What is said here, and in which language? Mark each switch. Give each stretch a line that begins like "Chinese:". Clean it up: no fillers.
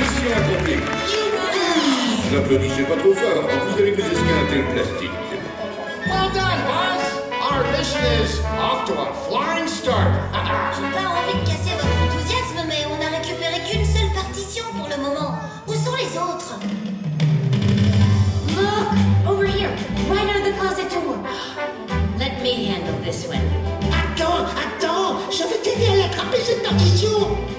French: N'applaudissez pas trop fort, vous allez vous esquinter le plastique.
English: Well done, boss! Our mission is off to a flying start!
French: J'ai pas envie de casser votre enthousiasme, mais on a récupéré qu'une seule partition pour le moment. Où sont les autres?
English: Look! Over here! Right under the closet door! Let me handle this one.
French: Attends! Je vais t'aider à l'attraper, cette partition!